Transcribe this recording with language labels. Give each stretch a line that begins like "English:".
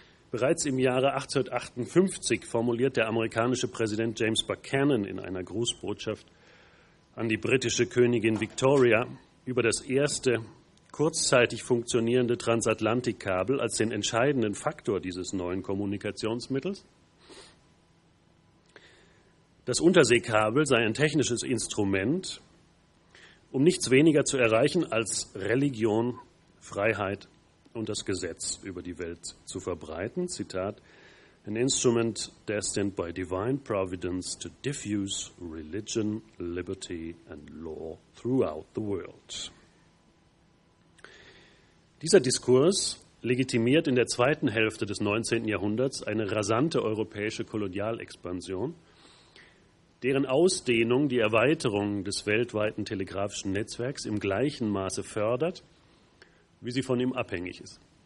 German: Bereits im Jahre 1858 formuliert der amerikanische Präsident James Buchanan in einer Grußbotschaft an die britische Königin Victoria über das erste kurzzeitig funktionierende Transatlantikkabel als den entscheidenden Faktor dieses neuen Kommunikationsmittels. Das Unterseekabel sei ein technisches Instrument, um nichts weniger zu erreichen als Religion, Freiheit und das Gesetz über die Welt zu verbreiten.
English: Zitat: An instrument destined by divine providence to diffuse religion, liberty and law throughout the world.
German: Dieser Diskurs legitimiert in der zweiten Hälfte des 19. Jahrhunderts eine rasante europäische Kolonialexpansion, deren Ausdehnung die Erweiterung des weltweiten telegrafischen Netzwerks im gleichen Maße fördert, wie sie von ihm abhängig ist.